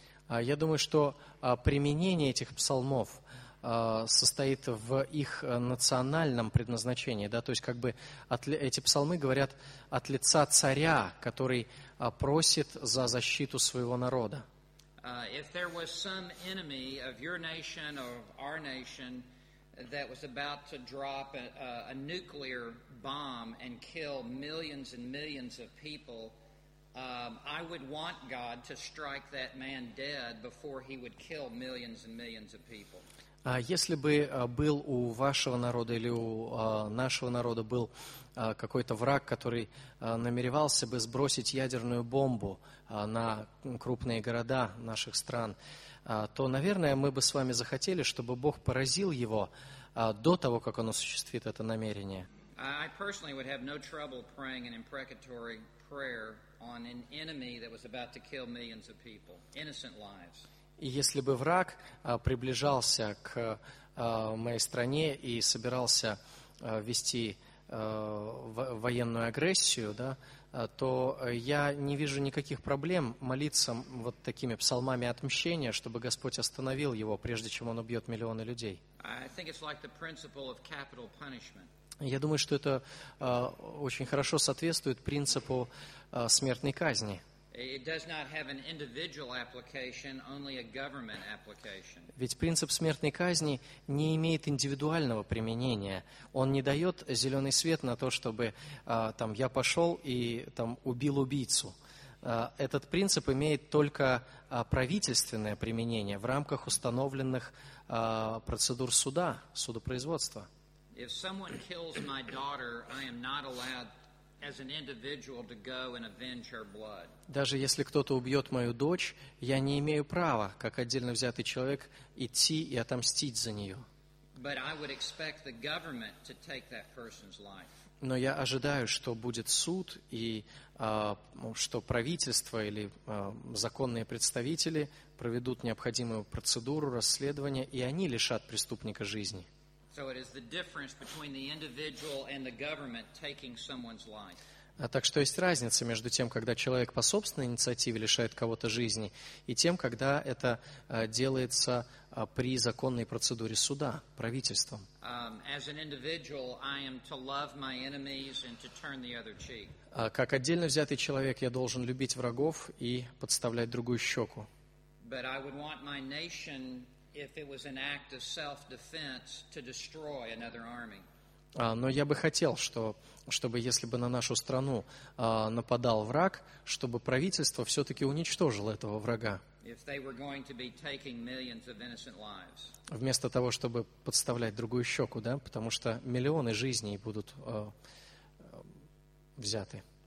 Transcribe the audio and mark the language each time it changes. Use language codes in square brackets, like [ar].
[ru] Я думаю, что применение этих псалмов состоит в их национальном предназначении, да, то есть как бы эти псалмы говорят от лица царя, который просит за защиту своего народа. [en] If there was some enemy of your nation or of our nation that was about to drop a nuclear bomb and kill millions and millions of people, I would want God to strike that man dead before he would kill millions and millions of people. [ru] Если бы был у вашего народа или у нашего народа был какой-то враг, который намеревался бы сбросить ядерную бомбу на крупные города наших стран, то, наверное, мы бы с вами захотели, чтобы Бог поразил его до того, как он осуществит это намерение. [en] I personally would have no trouble praying an imprecatory prayer on an enemy that was about to kill millions of people, innocent lives. [ru] И если бы враг приближался к моей стране и собирался вести военную агрессию, да, то я не вижу никаких проблем молиться вот такими псалмами отмщения, чтобы Господь остановил его, прежде чем он убьет миллионы людей. [en] I think it's like the principle of capital punishment. [ru] Я думаю, что это очень хорошо соответствует принципу смертной казни. [en] It does not have an individual application, only a government application. [ru] Ведь принцип смертной казни не имеет индивидуального применения. Он не дает зеленый свет на то, чтобы там, я пошел и там, убил убийцу. Этот принцип имеет только правительственное применение в рамках установленных процедур суда, судопроизводства. [en] If someone kills my daughter, I am not allowed as an individual to go and avenge her blood. [ru] Даже если кто-то убьет мою дочь, я не имею права, как отдельно взятый человек, идти и отомстить за нее. [en] But I would expect the government to take that person's life. [ru] Но я ожидаю, что будет суд, и что правительство или законные представители проведут необходимую процедуру расследования, и они лишат преступника жизни. [en] So it is the difference between the individual and the government taking someone's life. [ru] Так что есть разница между тем, когда человек по собственной инициативе лишает кого-то жизни, и тем, когда это делается при законной процедуре суда, правительством. [en] As an individual, I am to love my enemies and to turn the other cheek. [ru] Как отдельно взятый человек, я должен любить врагов и подставлять другую щеку. [en] But I would want my nation, if it was an act of self-defense, to destroy another army. [ru] Но я бы хотел, чтобы если бы на нашу страну нападал враг, чтобы правительство все-таки уничтожило этого врага. [en] If they were going to be taking millions of innocent lives. [ru] Вместо того, чтобы подставлять другую щеку, да, потому что миллионы жизней будут взяты.